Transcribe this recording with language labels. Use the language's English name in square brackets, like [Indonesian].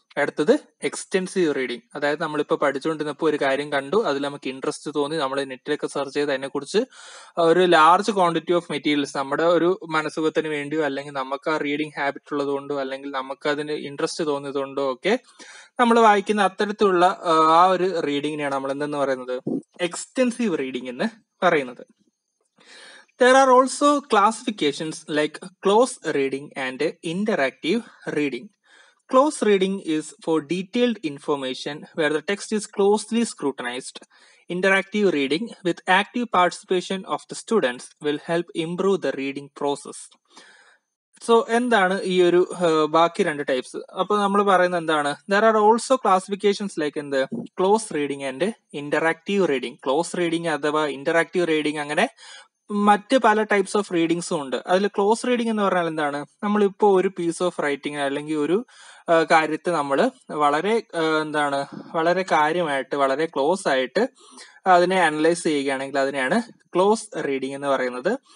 [Malayalam] അടുത്തത് extensive reading, അതായത് നമ്മളിപ്പോൾ പഠിച്ചുകൊണ്ടിരുന്നപ്പോൾ ഒരു കാര്യം കണ്ടു, അതിൽ നമുക്ക് ഇൻട്രസ്റ്റ് തോന്നി, നമ്മൾ നെറ്റിലൊക്കെ സെർച്ച് ചെയ്ത് അതിനെക്കുറിച്ച് ഒരു [English] large quantity of materials [Malayalam] നമ്മുടെ ഒരു മനസ്സുഖത്തിന് വേണ്ടിയോ അല്ലെങ്കിൽ നമുക്ക് ആ റീഡിംഗ് ഹാബിറ്റ് ഉള്ളതുകൊണ്ടോ അല്ലെങ്കിൽ നമുക്ക് അതിന് ഇൻട്രസ്റ്റ് തോന്നിയതുകൊണ്ടോ ഒക്കെ നമ്മൾ വായിക്കുന്ന അത്തരത്തിലുള്ള ആ ഒരു റീഡിങ്ങിനെയാണ് നമ്മൾ എന്തെന്ന് പറയുന്നത് എക്സ്റ്റെൻസീവ് റീഡിംഗ് എന്ന് പറയുന്നത്. [English] There are also classifications like close reading and interactive reading. Close reading is for detailed information where the text is closely scrutinized. Interactive reading with active participation of the students will help improve the reading process. [Malayalam] So എന്താണ് ഈ ഒരു ബാക്കി രണ്ട് types? അപ്പൊ നമ്മൾ പറയുന്ന എന്താണ്, [English] There are also classifications like എന്ത് close reading and interactive reading. [Malayalam] Close reading അഥവാ ഇന്ററാക്റ്റീവ് റീഡിംഗ് അങ്ങനെ മറ്റ് പല ടൈപ്സ് ഓഫ് റീഡിങ്സും ഉണ്ട്. അതിൽ ക്ലോസ് റീഡിംഗ് എന്ന് പറഞ്ഞാൽ എന്താണ്, നമ്മളിപ്പോൾ ഒരു പീസ് ഓഫ് റൈറ്റിംഗ് അല്ലെങ്കിൽ ഒരു കാര്യത്തെ നമ്മൾ വളരെ എന്താണ് വളരെ കാര്യമായിട്ട് വളരെ ക്ലോസ് ആയിട്ട് അതിനെ അനലൈസ് ചെയ്യുകയാണെങ്കിൽ അതിനെയാണ് ക്ലോസ് റീഡിംഗ് എന്ന് പറയുന്നത്.